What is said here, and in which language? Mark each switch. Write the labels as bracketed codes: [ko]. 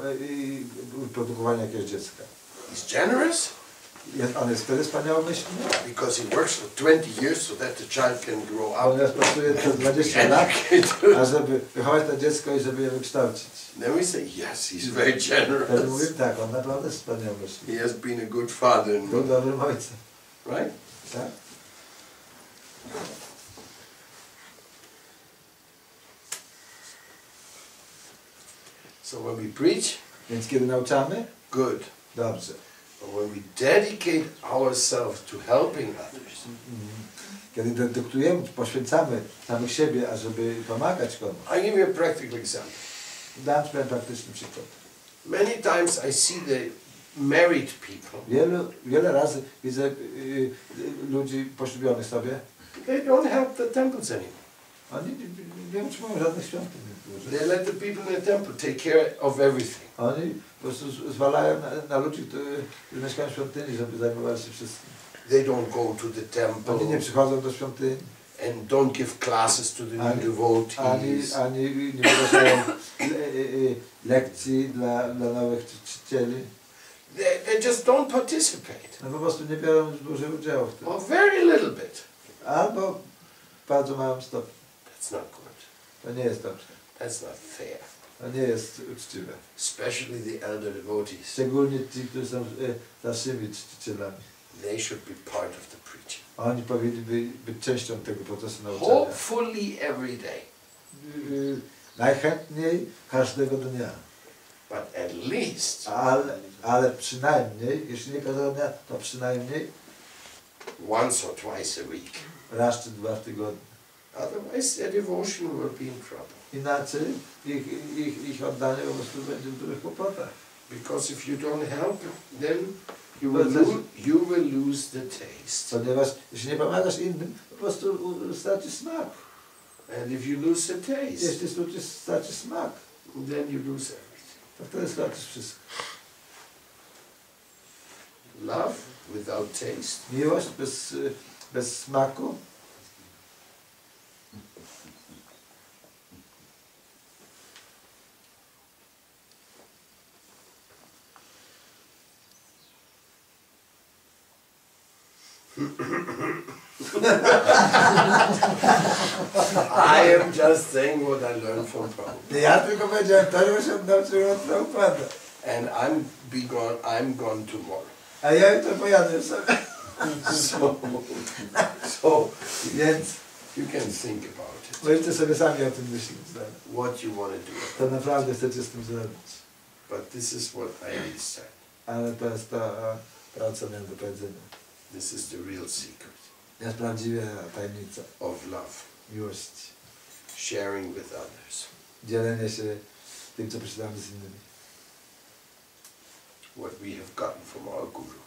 [pl] I produkowanie jakiegoś dziecka. [en] He's generous. [pl] On jest wtedy wspaniałomyślny. [en] Because he works for 20 years so that the child can grow up. [pl] On jest pracuje to 20 lat, a żeby wychować to dziecko i żeby je wykształcić. [en] Then we say yes, he's very generous. [pl] Wtedy mówimy tak, on naprawdę jest wspaniałomyślny. [en] He has been a good father. [pl] Był dobrym ojcem. [en] Right? [pl] Tak. [en] So when we preach, [pl] więc kiedy nauczamy, [en] good, [pl] dobrze. [en] But when we dedicate ourselves to helping others, [pl] kiedy dedykujemy, poświęcamy samych siebie, ażeby pomagać komuś. [en] I give you a practical example. [pl] Dam ci praktyczny przykład. [en] Many times I see the married people. [pl] Wiele razy widzę ludzi poślubionych sobie. [en] They don't help the temples anymore. [pl] Oni nie utrzymują żadnych świątyń. [en] They let the people in the temple take care of everything. [pl] Oni po prostu zwalają na ludzi, którzy mieszkają w świątyni, żeby zajmowali się wszystkim. [en] They don't go to the temple. [pl] Oni nie przychodzą do świątyni. [en] And don't give classes to the new devotees. [pl] Ani nie wydają lekcji dla nowych czcicieli. [en] They just don't participate. [pl] No po prostu nie biorą dużo udziału w tym. [en] Or very little bit. [pl] Albo bardzo małym stopniu. [en] It's not good. [pl] To nie jest dobrze. [en] That's not fair. [pl] To nie jest uczciwe. [en] Especially the elder devotees. [pl] Szczególnie ci, którzy są starszymi czcicielami. [en] They should be part of the preaching. [pl] Oni powinni być częścią tego procesu nauczania. [en] Hopefully every day. [pl] Najchętniej każdego dnia. [en] But at least. [pl] Ale przynajmniej, jeśli nie każdego dnia, to przynajmniej. [en] Once or twice a week. [pl] Raz czy dwa w tygodniu. [en] Otherwise their devotion will be in trouble. [pl] Inaczej ich oddanie po prostu będzie w dużych kłopotach. [en] Because if you don't help, then you will lose the taste. [pl] Ponieważ jeśli nie pomagasz innym, po prostu straci smak. [en] And if you lose the taste, [pl] jeśli straci smak, [en] then you lose everything. [pl] To wtedy stracisz wszystko. [en] Love without taste. [pl] Miłość bez smaku. [en] I am just saying what I learned from Prabhupada. [pl] Ja tylko powiedziałem to, co się nauczyłem od Prabhupada. [en] And I'm be gone. I'm gone tomorrow. [pl] A ja to pojadę sobie. [en] So, [pl] więc [en] you can think about it. [pl] Powiedzcie sobie sami o tym myśleć. [en] What you want to do? [pl] To naprawdę chcecie z tym zrobić. [en] But this is what I said. [pl] Ale to jest to, co miałem do powiedzenia. [en] This is the real secret. [pl] Jest prawdziwa tajemnica. [en] Of love. [pl] Miłości. [en] Sharing with others. [pl] Dzielenie się tym, co przeczytamy z innymi. [en] What we have gotten from our guru.